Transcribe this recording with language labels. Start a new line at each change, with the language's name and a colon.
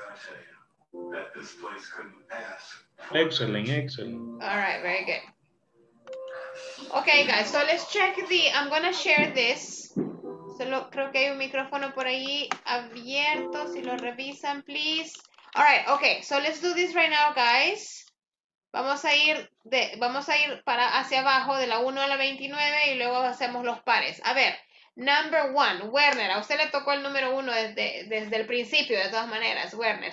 English: You know, I gotta tell you, that this place couldn't pass. Excellent, excellent. All right, very good. Okay, guys, so let's check the, I'm gonna share this.
Spanish: Solo creo que hay un micrófono por ahí abierto, si lo revisan,
English: please. All right, okay, so let's do this right now, guys.
Spanish: Vamos a ir para hacia abajo, de la 1 a la 29, y luego hacemos los pares. A ver.
English: Number one,
Spanish: Werner, a usted le tocó el número uno desde el principio, de todas maneras, Werner.